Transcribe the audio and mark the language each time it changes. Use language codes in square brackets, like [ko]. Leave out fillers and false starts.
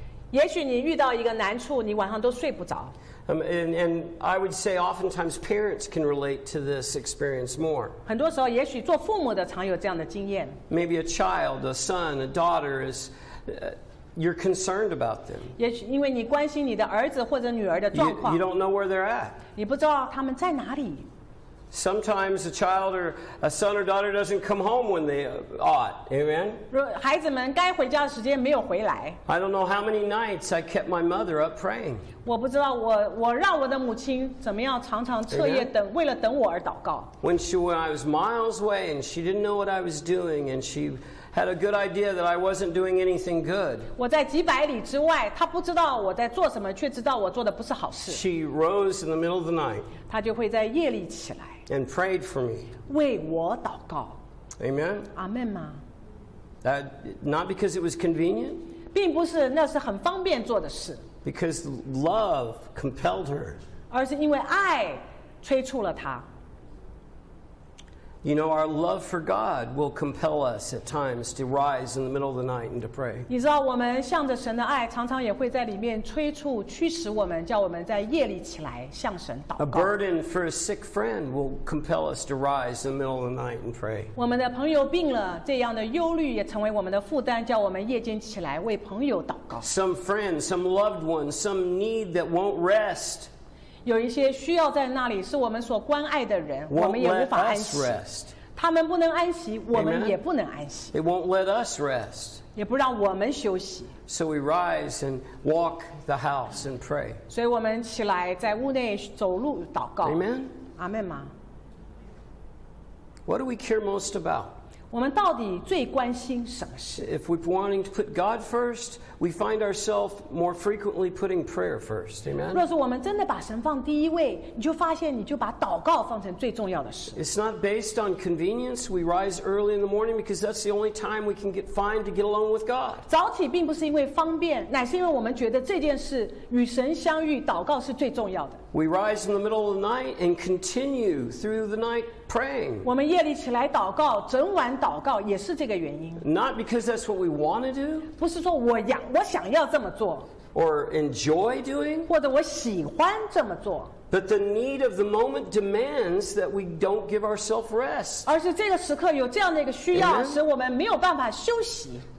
[zh] 也许你遇到一个难处，你晚上都睡不着。 [en] And I would say oftentimes parents can relate to this experience more. [zh] 很多时候，也许做父母的常有这样的经验。 [en] Maybe a child, a son, a daughter is, you're concerned about them. [zh] 也许因为你关心你的儿子或者女儿的状况。 [en] You don't know where they're at. [zh] 你不知道他们在哪里。 [en] Sometimes a child or a son or daughter doesn't come home when they ought. Amen. [zh] 孩子们该回家的时间没有回来。 [en] I don't know how many nights I kept my mother up praying. [zh] 我不知道我让我的母亲怎么样常常彻夜等为了等我而祷告。 [en] When I was miles away and she didn't know what I was doing and she had a good idea that I wasn't doing anything good. [zh] 我在几百里之外，她不知道我在做什么，却知道我做的不是好事。 [en] She rose in the middle of the night. [zh] 她就会在夜里起来。 [en] And prayed for me. [zh] 为我祷告。 [en] Amen. [zh] Amen 吗 [en] ？That not because it was convenient. [zh] 并不是，那是很方便做的事。 [en] Because love compelled her. [zh] 而是因为爱催促了她。 [en] You know, our love for God will compel us at times to rise in the middle of the night and to pray. [zh] 你知道我们向着神的爱，常常也会在里面催促、驱使我们，叫我们在夜里起来向神祷告。 [en] A burden for a sick friend will compel us to rise in the middle of the night and pray. [zh] 我们的朋友病了，这样的忧虑也成为我们的负担，叫我们夜间起来为朋友祷告。 [en] Some friend, some loved one, some need that won't rest. [zh] 有一些需要在那里是我们所关爱的人我们也无法安息他们不能安息我们也不能安息 [en] It won't let us rest. [zh] 也不让我们休息 [en] So we rise and walk the house and pray. [zh] 所以我们起来在屋内走路祷告 [en] Amen. [zh] 阿们吗 [en] What do we care most about? [zh] 我们到底最关心什么事 [en] If we're wanting to put God first,We find ourselves more frequently putting prayer first. Amen. [zh] 若是我们真的把神放第一位，你就发现你就把祷告放成最重要的事。 [en] It's not based on convenience. We rise early in the morning because that's the only time we can get find to get alone with God. [zh] 早起并不是因为方便，乃是因为我们觉得这件事与神相遇，祷告是最重要的。 [en] We rise in the middle of the night and continue through the night praying. [zh] 我们夜里起来祷告，整晚祷告也是这个原因。 [en] Not because that's what we want to do. [zh] 不是说我要。我想要这么做 [en] or enjoy doing, [zh] 或者我喜欢这么做 [en] but the need of the moment demands that we don't give ourselves rest. [zh] 而是这个时刻有这样的一个需要使我们没有办法休息